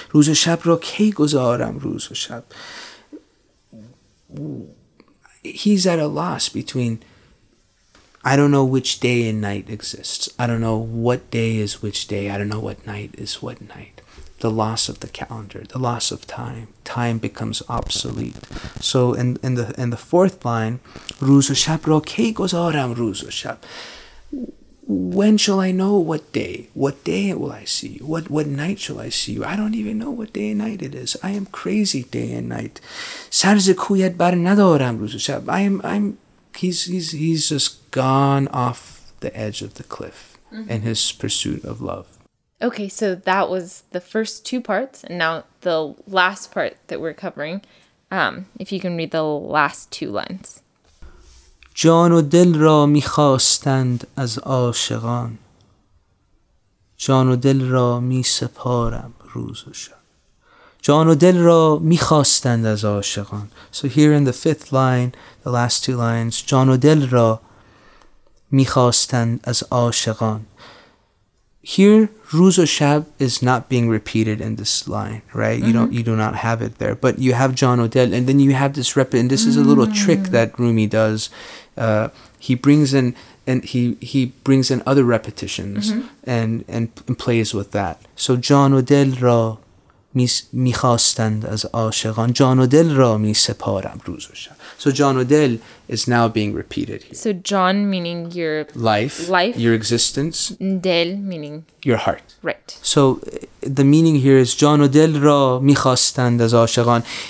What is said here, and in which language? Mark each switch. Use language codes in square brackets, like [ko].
[fa] Ruz o shab ro kei gozaram ruz o shab. [en] He's at a loss between, I don't know which day and night exists. I don't know what day is which day. I don't know what night is what night. The loss of the calendar, the loss of time. Time becomes obsolete. So in the fourth line, [fa] روز و شب را کی گذارم روز و شب. [en] When shall I know what day? What day will I see you? What night shall I see you? I don't even know what day and night it is. I am crazy day and night. [fa] سرز کویت بر ندارم روز و شب. [en] He's just gone off the edge of the cliff mm-hmm. in his pursuit of love. Okay, so that was the first two parts, and now the last part that we're covering, if you can read the last two lines. [fa] جان و دل را می‌خواستند از عاشقان. جان و دل را می‌سپارم روز و شب. جان و دل را می‌خواستند از عاشقان. [en] So here in the fifth line, the last two lines, [fa] جان و دل را می‌خواستند از عاشقان. [en] Here, ruz o shab is not being repeated in this line, right? Mm-hmm. You do not have it there. But you have jan o del, and then you have this rep. And this mm-hmm. is a little trick that Rumi does. He brings in other repetitions mm-hmm. and plays with that. So [fa] jan o del ra میخواستند از عاشقان جان و دل را می سپارم روز و شب. [en] So جان و دل is now being repeated here. So جان meaning your life, your existence. دل meaning your heart. Right. So the meaning here is [fa] جان و دل را میخواستند از عاشقان.